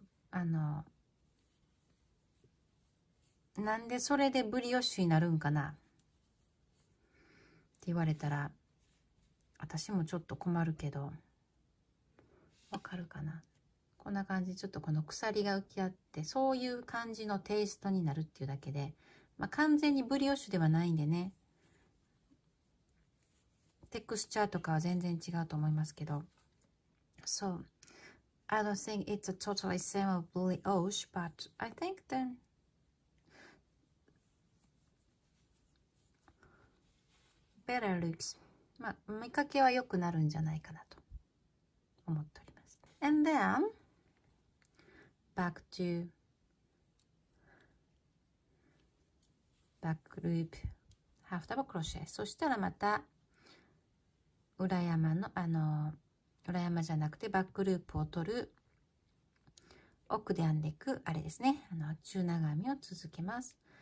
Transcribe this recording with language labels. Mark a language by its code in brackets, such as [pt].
[ja] あの、なんでそれでブリオッシュになるんかなって言われたら、私もちょっと困るけど、わかるかな。こんな感じで、ちょっとこの鎖が浮き合って、そういう感じのテイストになるっていうだけで、まあ、完全にブリオッシュではないんでね、テクスチャーとかは全然違うと思いますけど。 [en] そう、I don't think it's a totally same of brioche, but I think then better looks. [ja] まあ、見かけは良くなるんじゃないかなと思っております。 [en] And then back loop half double crochet. [ja] そしたらまた裏山の、あの、裏山じゃなくてバックループを取る奥で編んでいく、あれですね、あの中長編みを続けます。